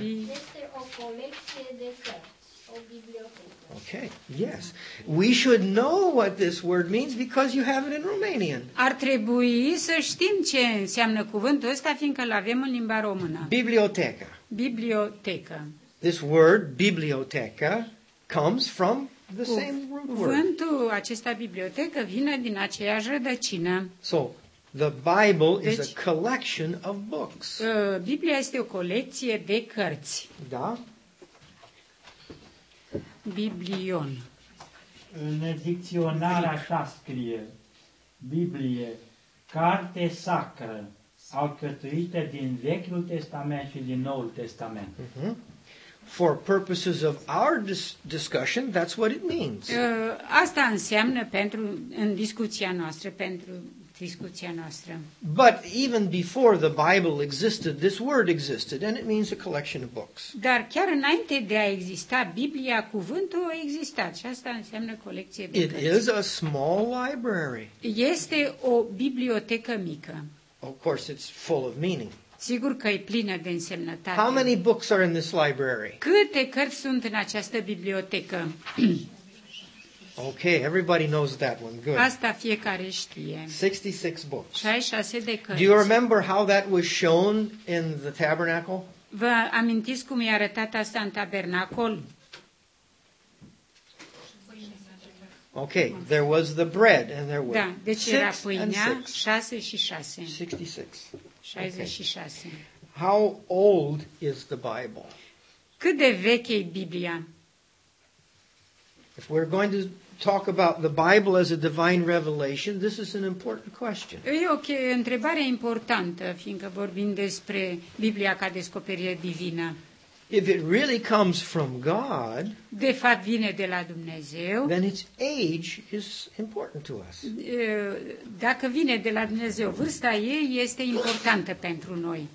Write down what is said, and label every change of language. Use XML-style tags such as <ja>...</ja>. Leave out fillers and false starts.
<ro>Este o colecție de cărți, o bibliotecă.</ro> <en>Okay, yes. We should know what this word means because you have it in Romanian.</en> <ro>Ar trebui să știm ce înseamnă cuvântul ăsta fiindcă îl avem în limba română. Biblioteca. Biblioteca.</ro> <en>This word biblioteca comes from the same root word.</en> <ro>Cuvântul acesta biblioteca vine din aceeași rădăcină.</ro> <en>So, the Bible is a collection of books.</en> <ro>Biblia este o colecție de cărți. Da. Biblion. În dicționar așa scrie: Biblie, carte sacră, alcătuită din Vechiul Testament și din Noul Testament.</ro> <en>For purposes of our discussion, that's what it means.</en> <ro>Asta înseamnă pentru în discuția noastră, pentru discuția noastră.</ro> <en>But even before the Bible existed, this word existed and it means a collection of books.</en> <ro>Dar chiar înainte de a exista Biblia, cuvântul a existat și asta înseamnă colecție de cărți.</ro> <en>It is a small library.</en> <ro>Este o bibliotecă mică.</ro> <en>Of course, it's full of meaning.</en> <ro>Sigur că e plină de însemnătate.</ro> <en>How many books are in this library?</en> <ro>Câte cărți sunt în această bibliotecă?</ro> <en>Okay, everybody knows that one. Good.</en> <ro>Asta fiecare știe.</ro> <en>66 books.</en> <ro>66 de cărți.</ro> <en>Do you remember how that was shown in the tabernacle?</en> <ro>Vă amintiți cum i-a arătat asta în tabernacol?</ro> <en>Okay, there was the bread and there were</en> <ro>da, deci</ro> <en>six</en> <ro>era pâinea,</ro> <en>and six.</en> <ro>6 și 6. 66. 66.</ro> <en>Okay. How old is the Bible?</en> <ro>Cât de veche e Biblia?</ro> <en>If we're going to talk about the Bible as a divine revelation, this is an important question.</en> <ro>E o întrebare importantă, fiindcă vorbim despre Biblia ca descoperire divină.</ro> <en>If it really comes from God,</en> <ro>de fapt vine de la Dumnezeu,</ro> <en>then its age is important to us.</en> <ro>Dacă vine de la Dumnezeu, vârsta ei este importantă pentru noi.</ro>